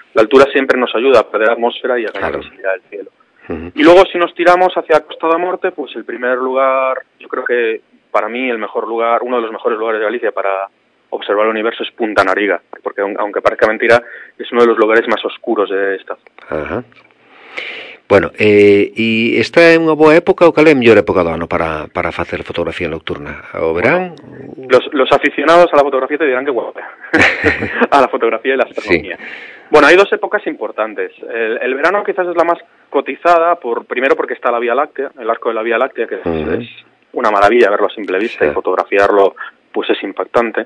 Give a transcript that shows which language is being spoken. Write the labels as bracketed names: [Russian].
[Spanish] La altura siempre nos ayuda a perder atmósfera y a ganar visibilidad del cielo. Y luego si nos tiramos hacia Costa da Morte, pues el primer lugar, yo creo que para mí el mejor lugar, uno de los mejores lugares de Galicia para observar el universo es Punta Nariga, porque aunque parezca mentira, es uno de los lugares más oscuros de esta zona. [Galician] Bueno, y esta é unha boa época ou cal é a mellor época do ano para facer fotografía nocturna? O verán? [Spanish] Los aficionados a la fotografía te dirán que guapa. A la fotografía e la astronomía. Sí. [Galician] Bueno, hai dos épocas importantes. [Spanish] El verano quizás es la más cotizada, primero porque está la Vía Láctea, el arco de la Vía Láctea, que es una maravilla verlo a simple vista, y fotografiarlo pues es impactante.